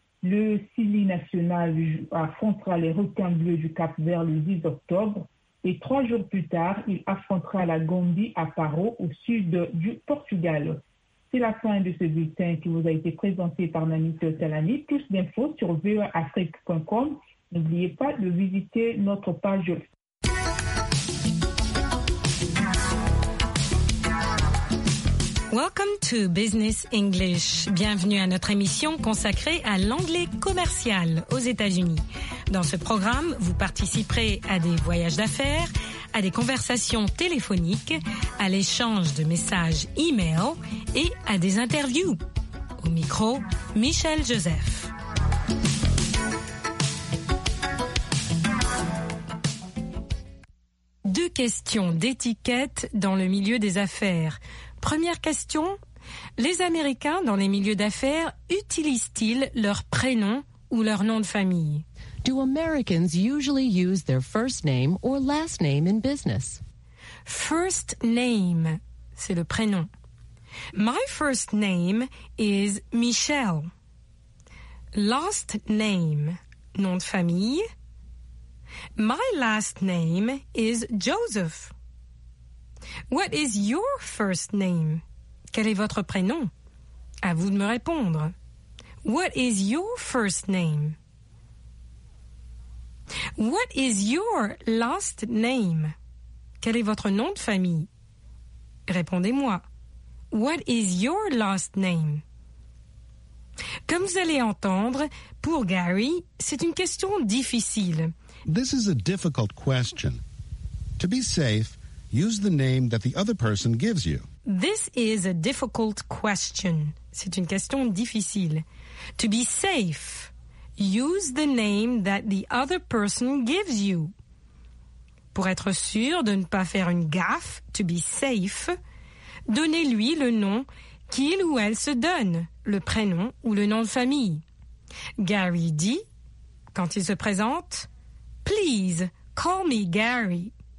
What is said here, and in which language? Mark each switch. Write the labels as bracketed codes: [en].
[fr] Le Sili National affrontera les requins bleus du Cap-Vert le 10 octobre et 3 jours plus tard, il affrontera la Gambie à Faro au sud du Portugal. C'est la fin de ce bulletin qui vous a été présenté par Nanit Talani. Plus d'infos sur voafrique.com. N'oubliez pas de visiter notre page Facebook. [en] Welcome to Business English. [fr] Bienvenue à notre émission consacrée à l'anglais commercial aux États-Unis. Dans ce programme, vous participerez à des voyages d'affaires, à des conversations téléphoniques, à l'échange de messages e-mail et à des interviews. Au micro, Michel Joseph. Deux questions d'étiquette dans le milieu des affaires. Première question, les Américains dans les milieux d'affaires utilisent-ils leur prénom ou leur nom de famille? [en] Do Americans usually use their first name or last name in business? First name, [fr] c'est le prénom. [en] My first name is Michelle. [fr] Last name, nom de famille. [en] My last name is Joseph. What is your first name? [fr] Quel est votre prénom? À vous de me répondre. [en] What is your first name? What is your last name? [fr] Quel est votre nom de famille? Répondez-moi. [en] What is your last name? [fr] Comme vous allez entendre, pour Gary, c'est une question difficile. [en] This is a difficult question. To be safe, use the name that the other person gives you. This is a difficult question. [fr] C'est une question difficile. [en] To be safe, use the name that the other person gives you. [fr] Pour être sûr de ne pas faire une gaffe, [en] to be safe, [fr] donnez-lui le nom qu'il ou elle se donne, le prénom ou le nom de famille. Gary dit, quand il se présente, [en] Please call me Gary.